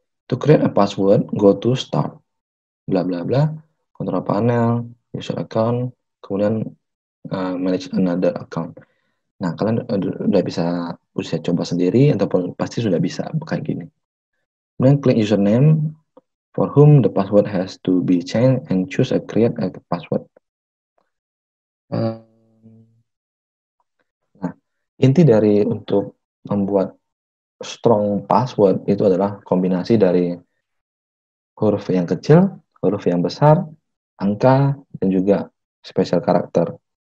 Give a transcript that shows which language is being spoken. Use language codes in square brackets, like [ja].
[en] To create a password, go to start, bla bla bla, control panel, user account, [id] kemudian [en] manage another account. [id] Nah, kalian sudah bisa coba sendiri ataupun pasti sudah bisa kayak gini. Kemudian klik [en] username for whom the password has to be changed and choose a create a password. [id] Nah, inti dari untuk membuat strong password itu adalah kombinasi dari huruf yang kecil, huruf yang besar, angka, dan juga special character.